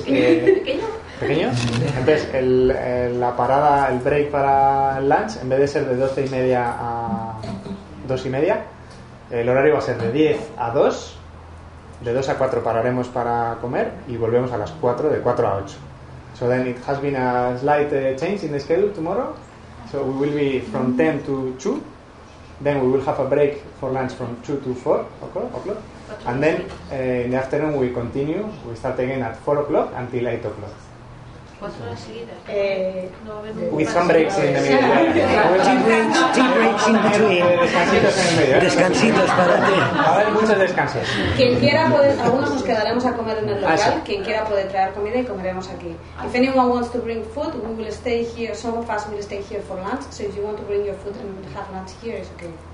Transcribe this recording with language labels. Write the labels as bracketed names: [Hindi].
[Spanish] pequeño. Entonces la parada, el break para el lunch, en vez de ser de 12:30 a 2:30, el horario va a ser de 10 a 2. De 2 a 4 pararemos para comer y volvemos a las 4, de 4 a 8. [English] So then it has been a slight change in the schedule tomorrow. So we will be from 10 to 2. Then we will have a break for lunch from 2 to 4 o'clock. And then in the afternoon we continue. We start again at 4 o'clock until 8 o'clock. With some breaks in the middle. Tea breaks in between. [Spanish] Descansitos en medio. Descansitos para ti. Va a haber muchos descansos. Quien quiera puede, algunos nos quedaremos a comer en el local. Quien quiera puede traer comida y comeremos aquí. [English] If anyone wants to bring food, we will stay here. Some of us will stay here for lunch. So if you want to bring your food and have lunch here, it's okay.